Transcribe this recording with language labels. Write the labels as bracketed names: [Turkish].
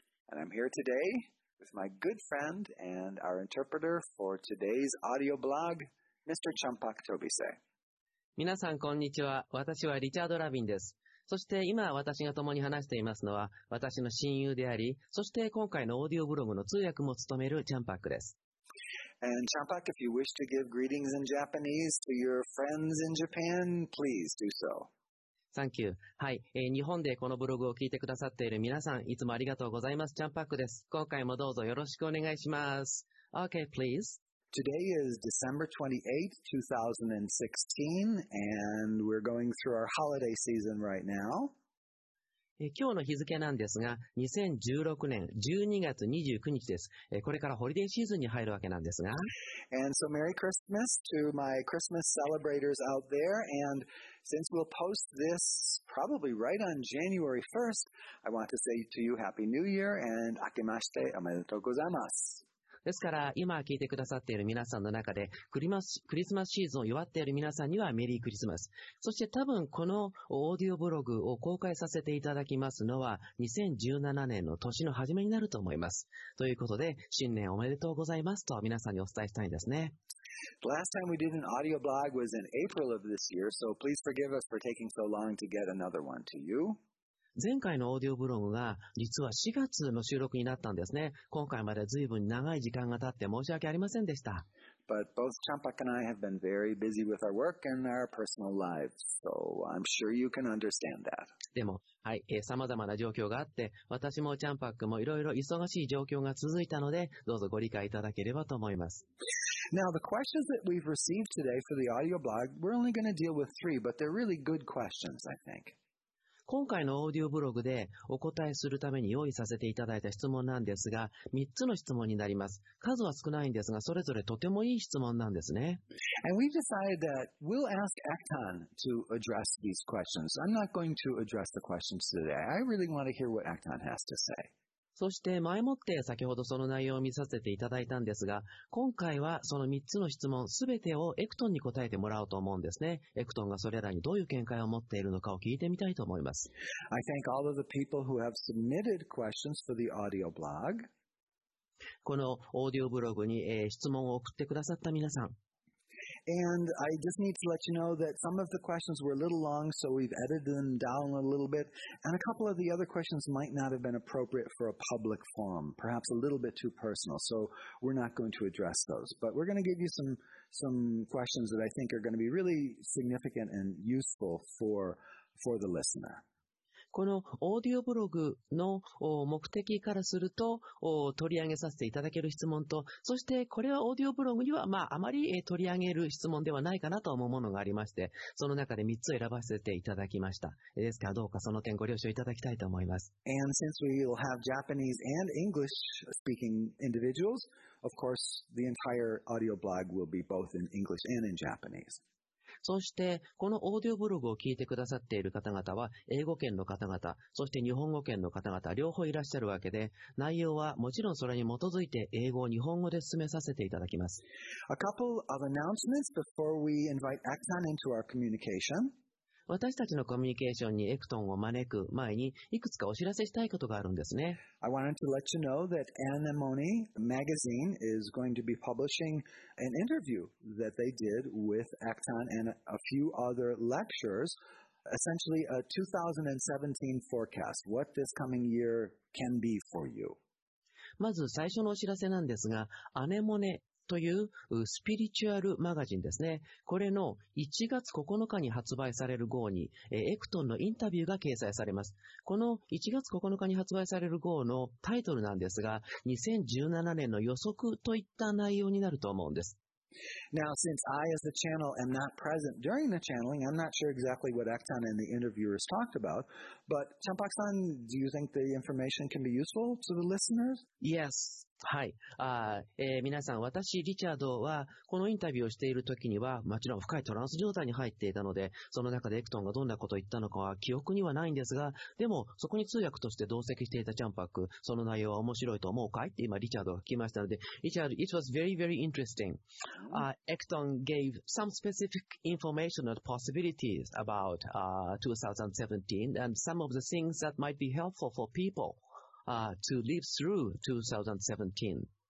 [English] and I'm here today with my good friend and our interpreter for today's audio blog, Mr. Champak Tobise. [Japanese] 皆さん、こんにちは。私はリチャード・ラビンです。そして今私が共に話していますのは私の親友であり、そして今回のオーディオブログの通訳も務めるチャンパックです。 [English] And Champak, if you wish to give greetings in Japanese to your friends in Japan, please do so. Thank you. [Japanese] はい、日本でこのブログを聞いてくださっている皆さん、いつもありがとうございます。チャンパックです。今回もどうぞよろしくお願いします。 [English] Okay, please. Today is December 28th, 2016, and we're going through our holiday season right now. [Japanese] 今日の日付なんですが、2016年12月29日です。これからホリデーシーズンに入るわけなんですが。 [English] And so Merry Christmas to my Christmas celebrators out there. And since we'll post this probably right on January 1st, I want to say to you Happy New Year and [Japanese] Akemashite Omedetou Gozaimasu. ですから今聞いてくださっている皆さんの中でクリスマスシーズンを祝っている皆さんにはメリークリスマス。そして多分このオーディオブログを公開させていただきますのは2017年の年の初めになると思います。ということで新年おめでとうございますと皆さんにお伝えしたいですね。 [English] The last time we did an audio blog was in April of this year, so please forgive us for taking so long to get another one to you. [Japanese] 前回のオーディオブログが実は4月の収録になったんですね。今回まで随分長い時間が経って申し訳ありませんでした。 [English] But both Champak and I have been very busy with our work and our personal lives, so I'm sure you can understand that. [Japanese] でも、はい、様々な状況があって、私もチャンパックもいろいろ忙しい状況が続いたので、どうぞご理解いただければと思います。 [English] Now, the questions that we've received today for the audio blog, we're only going to deal with three, but they're really good questions, I think. [Japanese] 今回のオーディオブログでお答えするために用意させていただいた質問なんですが、3つの質問になります。数は少ないんですが、それぞれとてもいい質問なんですね。 [English] And we've decided that we'll ask Acton to address these questions. I'm not going to address the questions today. I really want to hear what Acton has to say. [Japanese] そして前もって先ほどその内容を見させていただいたんですが、今回はその3つの質問すべてをエクトンに答えてもらおうと思うんですね。エクトンがそれらにどういう見解を持っているのかを聞いてみたいと思います。 [English] I thank all of the people who have submitted questions for the audio blog. [Japanese] このオーディオブログに質問を送ってくださった皆さん。 [English] And I just need to let you know that some of the questions were a little long, so we've edited them down a little bit. And a couple of the other questions might not have been appropriate for a public forum, perhaps a little bit too personal. So we're not going to address those. But we're going to give you some questions that I think are going to be really significant and useful for the listener. [Japanese] このオーディオブログの目的からすると取り上げさせていただける質問と、そしてこれはオーディオブログにはまああまり取り上げる質問ではないかなと思うものがありまして、その中で3つ選ばせていただきました。ですからどうかその点ご了承いただきたいと思います。 [English] And since we will have Japanese and English speaking individuals, of course the entire audio blog will be both in English and in Japanese. [Japanese] そしてこのオーディオブログを聞いてくださっている方々は英語圏の方々、そして日本語圏の方々両方いらっしゃるわけで、内容はもちろんそれに基づいて英語を日本語で進めさせていただきます。 [English] A couple of announcements before we invite Acton into our communication. [Japanese] 私たちのコミュニケーションにエクトンを招く前にいくつかお知らせしたいことがあるんですね。 [English] I wanted to let you know that Anemone magazine is going to be publishing an interview that they did with Acton and a few other lecturers, essentially a 2017 forecast, what this coming year can be for you. [Japanese] まず最初のお知らせなんですが、アネモネというスピリチュアルマガジンですね。これの1月9日に発売される号にエクトンのインタビューが掲載されます。この1月9日に発売される号のタイトルなんですが、2017年の予測といった内容になると思うんです。 [English] Now, since I as the channel am not present during the channeling, I'm not sure exactly what Acton and the interviewers talked about, but Champak-san, do you think the information can be useful to the listeners? Yes, [Japanese] はい、皆さん、私リチャードはこのインタビューをしているときにはもちろん深いトランス状態に入っていたので、その中でエクトンがどんなことを言ったのかは記憶にはないんですが、でもそこに通訳として同席していたチャンパック、その内容は面白いと思うかいって今リチャードが聞きましたので、リチャード、 [English] It was very very interesting. Ecton gave some specific information and possibilities about 2017 and some of the things that might be helpful for peopleto live through 2017.